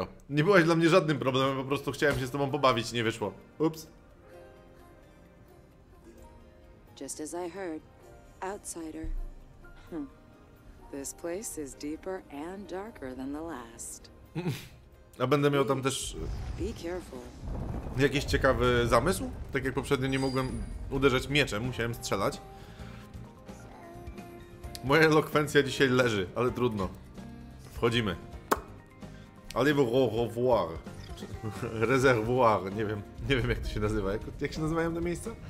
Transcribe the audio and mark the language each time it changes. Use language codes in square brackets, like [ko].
[pl] Nie byłaś dla mnie żadnym problemem, po prostu chciałem się z tobą pobawić, nie wyszło. Ups. [en] Just as I heard, outsider. This place is deeper and darker than the last. [pl] A będę miał tam też jakiś ciekawy zamysł? Tak jak poprzednio nie mogłem uderzać mieczem, musiałem strzelać. Moja elokwencja dzisiaj leży, ale trudno. Wchodzimy. Allez revoir. Reservoir, nie wiem. Nie wiem jak to się nazywa. Jak się nazywają te miejsca?